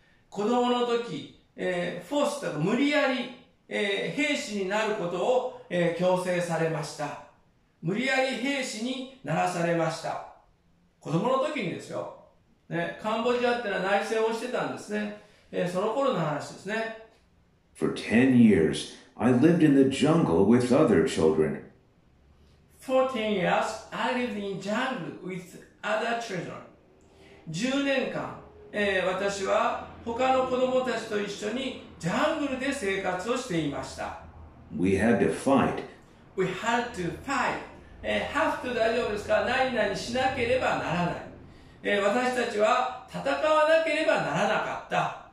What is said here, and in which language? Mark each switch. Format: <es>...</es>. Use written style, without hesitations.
<ja>子供の時、forced、無理やり、兵士になることを、強制されました。無理やり兵士にならされました。子供の時にですよ。ね、カンボジアってのは内戦をしてたんですね。その頃の話ですね。</ja> <en>For 10 years,I lived in the jungle with other children. 14 years, I lived in jungle with other children.</en> <ja>10年間、私は他の子供たちと一緒にジャングルで生活をしていました。</ja> <en>We had to fight. We had to fight.、have to</en> <ja>大丈夫ですか? 何々しなければならない、私たちは戦わなければならなかった。</ja>